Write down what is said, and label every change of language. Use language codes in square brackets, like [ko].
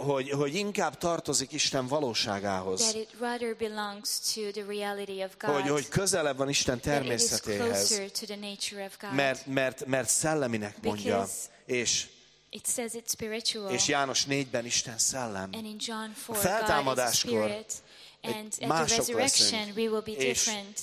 [hu] hogy inkább tartozik Isten valóságához. [en] That it rather belongs to the reality of God. [hu] Hogy közelebb van Isten természetéhez. [en] That it is closer to the nature of God. [hu] Mert szelleminek mondja. És [en] it says it's spiritual. [hu] És János 4-ben Isten szellem. [en] And in John 4, [hu] a feltámadáskor [en] God is spirit. And at the resurrection we will be different.